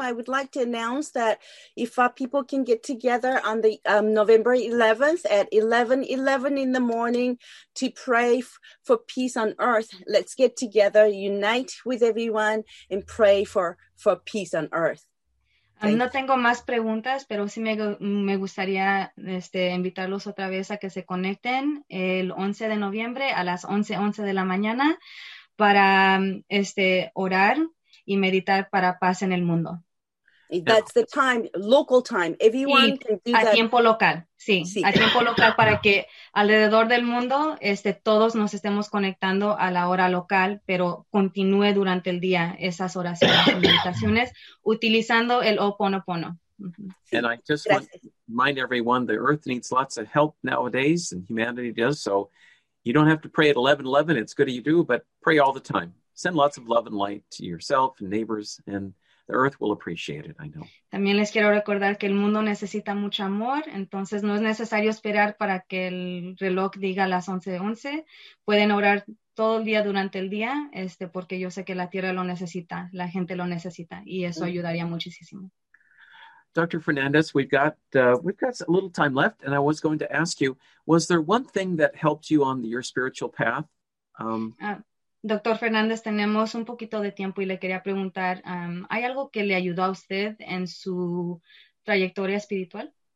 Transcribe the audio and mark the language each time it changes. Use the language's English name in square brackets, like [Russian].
[English] I would like to announce that if people can get together on the November 11th at 11:11 in the morning to pray for peace on earth, let's get together, unite with everyone and pray for peace on earth. [Spanish] No tengo más preguntas, pero sí me gustaría invitarlos otra vez a que se conecten el 11 de noviembre a las 11:11 de la mañana. Para orar y meditar para paz en el mundo. [English] That's the time, local time. Everyone can do that. [Spanish] A tiempo local, sí. A tiempo local para que alrededor del mundo todos nos estemos conectando a la hora local, pero continúe durante el día esas oraciones y meditaciones utilizando el Ho'oponopono. Mm-hmm. [English] And I just want to remind everyone, the earth needs lots of help nowadays, and humanity does. So you don't have to pray at 11:11. It's good if you do, but pray all the time. Send lots of love and light to yourself and neighbors, and the earth will appreciate it, I know. [Spanish] También les quiero recordar que el mundo necesita mucho amor, entonces no es necesario esperar para que el reloj diga las 11:11. Pueden orar todo el día durante el día, porque yo sé que la tierra lo necesita, la gente lo necesita, y eso mm-hmm. ayudaría muchísimo. [English] Dr. Fernandez, we've got a little time left, and I was going to ask you, was there one thing that helped you on your spiritual path? Dr. [Spanish] Fernandez, tenemos un poquito de tiempo y le quería preguntar, ¿hay algo que le ayudó a usted en su trayectoria espiritual?